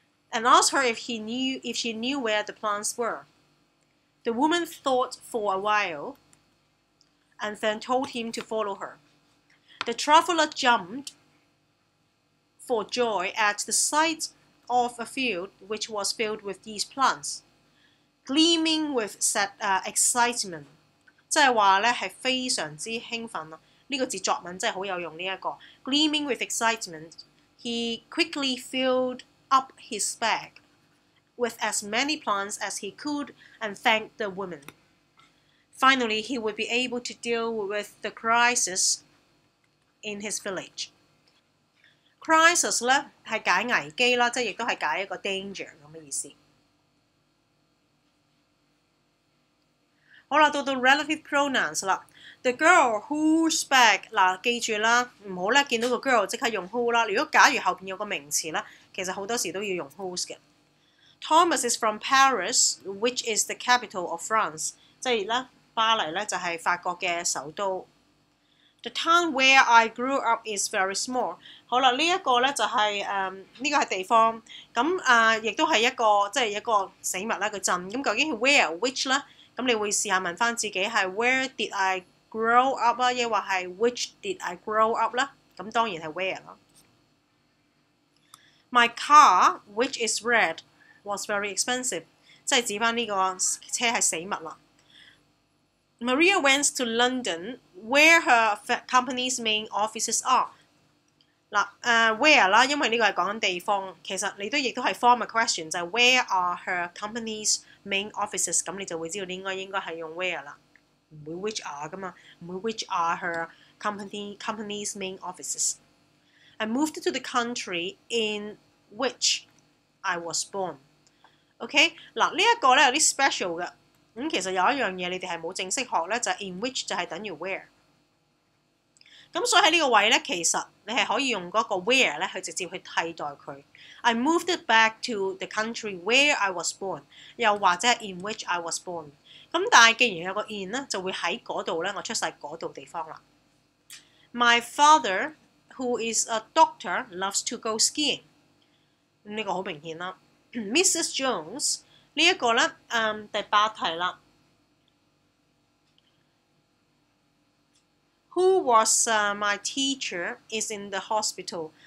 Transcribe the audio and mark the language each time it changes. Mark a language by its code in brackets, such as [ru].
[en] And asked her if she knew where the plants were. The woman thought for a while and then told him to follow her. The traveler jumped for joy at the sight of a field which was filled with these plants, gleaming with excitement. [yue] 即係話咧係非常之興奮啊！呢個字作文真係好有用呢一個。 [en] Gleaming with excitement, he quickly filled up his bag with as many plants as he could and thanked the woman. Finally, he would be able to deal with the crisis in his village. [yue] Crisis 咧係解危機啦，即係亦都係解一個 danger 咁嘅意思。好啦，到relative pronouns 啦 ， [en] the girl whose bag [yue] 嗱，記住啦，唔好咧見到個 girl 即刻用 who 啦。如果假如後邊有個名詞咧，其實好多時都要用 whose 嘅。 [en] Thomas is from Paris, which is the capital of France， [yue] 即係咧巴黎咧就係法國嘅首都。 [en] The town where I grew up is very small. [yue] 好啦，呢一個咧就係呢個係地方，咁亦都係一個即係一個死物啦個鎮。咁究竟係 where which 咧？咁你會試下問翻自己係 [en] where did I grow up [yue] 啊，亦或係 [en] which did I grow up [yue] 咧？咁當然係 where 啦。 [en] My car, which is red, was very expensive. [yue] 即係指翻呢個車係死物啦。 [en] Maria went to London. Where her company's main offices are. [yue] 嗱，where 啦，因為呢個係講緊地方，其實你都亦都係 [en] form a question， [yue] 就係 [en] where are her company's main offices？ [yue] 咁你就會知道應該係用 where 啦，唔會 which are 噶嘛，唔會 [en] which are her company's main offices。 I moved to the country in which I was born. [yue] Okay， 嗱，呢一個咧有啲 special 嘅。咁其實有一樣嘢你哋係冇正式學咧，就係 in which 就係等於 where。咁所以喺呢個位咧，其實你係可以用嗰個 where 咧去直接去替代佢。 [en] I moved back to the country where I was born， [yue] 又或者 [en] in which I was born。 [yue] 咁但係既然有個 in 咧，就會喺嗰度咧，我出世嗰度地方啦。 [en] My father, who is a doctor, loves to go skiing。 [yue] 咁呢個好明顯啦。Mrs. Jones。 这个呢第八题啦。 [en] Who was my teacher is in the hospital.